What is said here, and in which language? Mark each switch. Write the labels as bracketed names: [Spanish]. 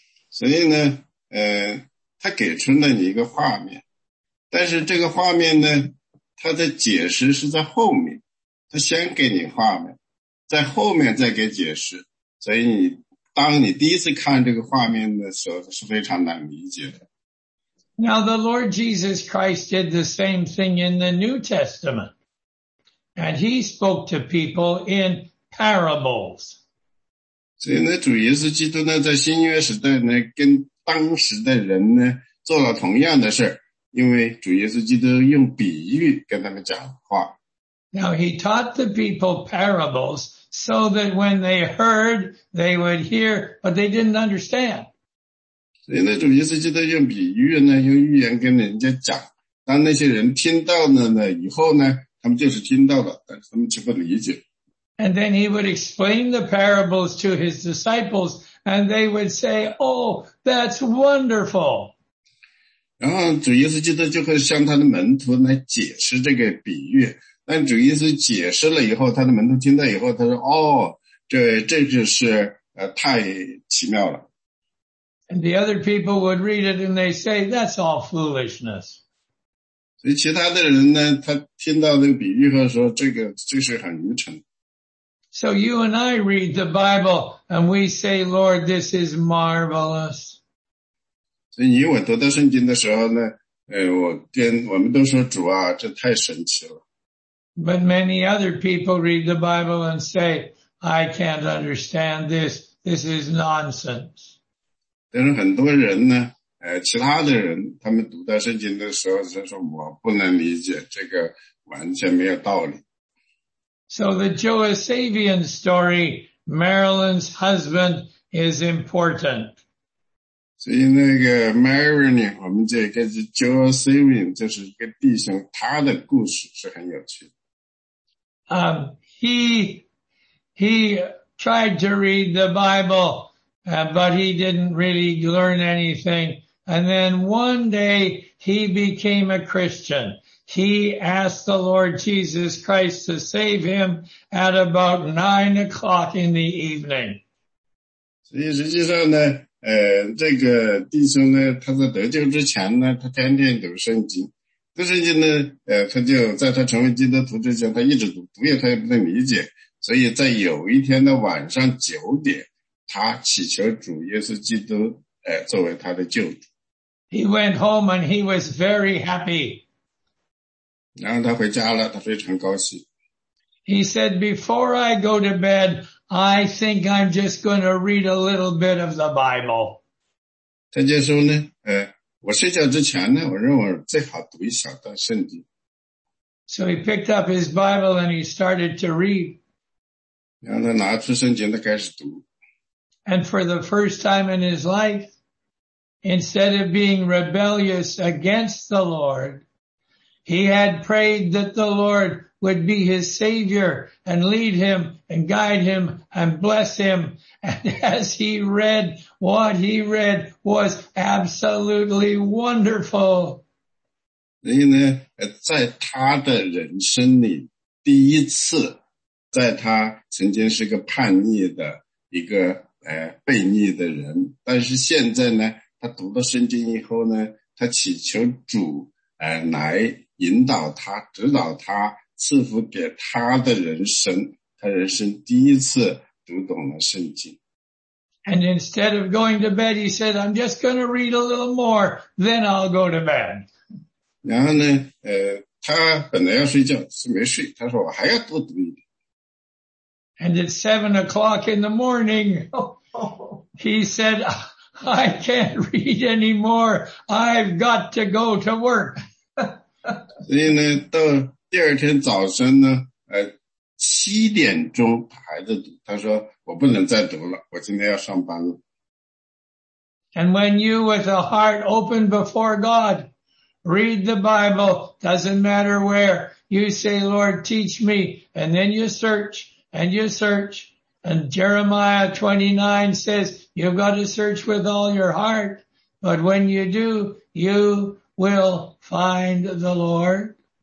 [Chinese] 所以呢，他给出了你一个画面，但是这个画面呢，他的解释是在后面，他先给你画面，在后面再给解释，所以你当你第一次看这个画面的时候是非常难理解的。 [English] Now the Lord Jesus Christ did the same thing in the New Testament. And he spoke to people in parables. [Chinese] 所以呢主耶稣基督呢在新约时代呢跟当时的人呢做了同样的事因为主耶稣基督用比喻跟他们讲话。 [English] Now he taught the people parables so that when they heard, they would hear, but they didn't understand. [Chinese] 所以呢主耶稣基督用比喻呢用预言跟人家讲当那些人听到了呢以后呢他们就是听到了但是他们却不理解。 [English] And then he would explain the parables to his disciples, and they would say, oh, that's wonderful. [Chinese] 然后主耶稣基督就会向他的门徒来解释这个比喻。但主耶稣解释了以后他的门徒听到以后他说哦这就是太奇妙了。 [English] And the other people would read it and they say, that's all foolishness. [Chinese] 所以其他的人呢他听到这个比喻后说这是很愚蠢。 [English] So you and I read the Bible and we say, Lord, this is marvelous. [Chinese] 所以你我读到圣经的时候呢我们都说主啊这太神奇了。 [English] But many other people read the Bible and say, I can't understand this. This is nonsense. [Chinese] 但是很多人呢其他的人他们读到圣经的时候就说我不能理解这个完全没有道理。 [English] So the Joasavian story, Marilyn's husband is important. [Chinese] 所以那个 Marilyn, 我们这个 Joasavian, 就是一个弟兄他的故事是很有趣的。 [English] He tried to read the Bible, but he didn't really learn anything. And then one day he became a Christian. He asked the Lord Jesus Christ to save him at about 9 o'clock in the evening. [Chinese] 所以实际上呢，这个弟兄呢，他在得救之前呢，他天天读圣经。读圣经呢，他就在他成为基督徒之前，他一直读，读也他也不能理解。所以在有一天的晚上9点，他祈求主耶稣基督，作为他的救主。 [English] He went home and he was very happy. [Chinese] 然后他回家了，他非常高兴。 [English] He said, "Before I go to bed, I think I'm just going to read a little bit of the Bible." [Chinese] 他就说呢，我睡觉之前呢，我认为最好读一小段圣经。 [English] So he picked up his Bible and he started to read. [Chinese] 然后他拿出圣经，他开始读。 [English] And for the first time in his life, instead of being rebellious against the Lord, he had prayed that the Lord would be his Savior and lead him and guide him and bless him. And as he read, what he read was absolutely wonderful. [Chinese] 所以呢，在他的人生里，第一次，在他曾经是个叛逆的一个悖逆的人，但是现在呢，他读了圣经以后呢，他祈求主来引导他，指导他。赐福给他的人生，他人生第一次读懂了圣经。 [English] And instead of going to bed, he said, "I'm just going to read a little more, then I'll go to bed." [Chinese] 然后呢，他本来要睡觉，是没睡。他说：“我还要多读一点。” [English] And at 7 o'clock in the morning, he said, "I can't read anymore. I've got to go to work." [Chinese] 所以呢，到第二天早晨呢，7点钟他还在读，他说我不能再读了，我今天要上班了。 [English] And when you with a heart open before God, read the Bible, doesn't matter where, you say, Lord, teach me, and then you search, and you search, and Jeremiah 29 says, you've got to search with all your heart, but when you do, you will find the Lord.